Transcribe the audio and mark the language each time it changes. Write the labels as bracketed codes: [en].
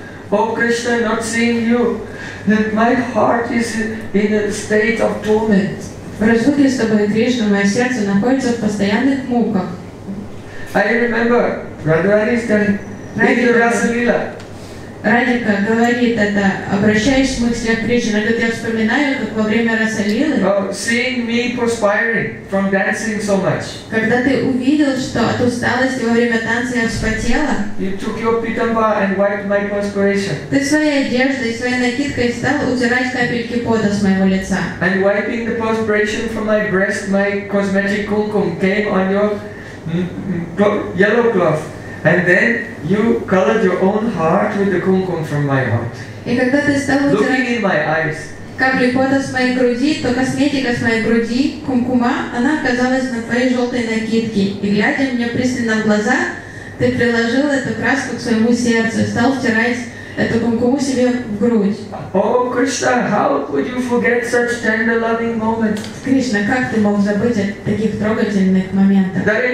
[en] О, Кришна, not seeing you, that my heart is in a state of torment. [ru] В разлуке с тобой, Кришна, мое сердце находится в постоянных муках. [en] I remember Radharani is telling me, Rasalila. [ru] Радика говорит это, обращаясь в мысли о Кришне. Она говорит, я вспоминаю, как во время Расалилы, [en] seeing me perspiring from dancing so much, [ru] когда ты увидел, что от усталости во время танца я вспотела, [en] you took your pitamba and wiped my perspiration, [ru] ты своей одеждой, своей накидкой стал утирать капельки пота с моего лица, [en] and wiping the perspiration from my breast, my cosmetic kumkum came on your yellow cloth. And then you colored your own heart with the kumkum from my heart. [ru] И когда ты стал [en] looking in my eyes, [ru] капли пота с моей груди, то косметика с моей груди, кумкума, она оказалась на твоей желтой накидке. И глядя мне пристально в глаза, ты приложил эту краску к своему сердцу, стал втирать эту кумкуму себе в грудь. [en] Oh, Krishna, how could you forget such tender loving moments? [ru] Кришна, как ты мог забыть о таких трогательных моментах?